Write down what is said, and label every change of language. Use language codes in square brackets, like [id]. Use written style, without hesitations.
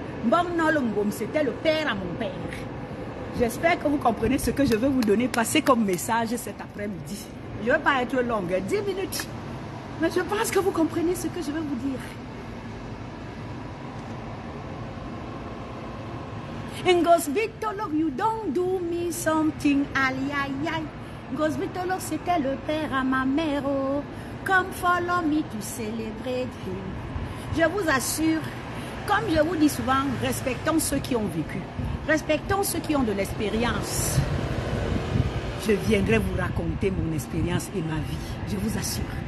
[fr] Bog nolongom, c'était le père à mon père. J'espère que vous comprenez ce que je veux vous donner, passer comme message cet après-midi. Je ne veux pas être longue, 10 minutes. Mais je pense que vous comprenez ce que je veux vous dire. [en] Ngos Vitolog, you don't do me something. Aïe, aïe, aïe. [fr] Ngos Vitolog, c'était le père à ma mère. Oh. [en] Come follow me to celebrate. [fr] Je vous assure, comme je vous dis souvent, respectons ceux qui ont vécu. Respectons ceux qui ont de l'expérience. Je viendrai vous raconter mon expérience et ma vie. Je vous assure.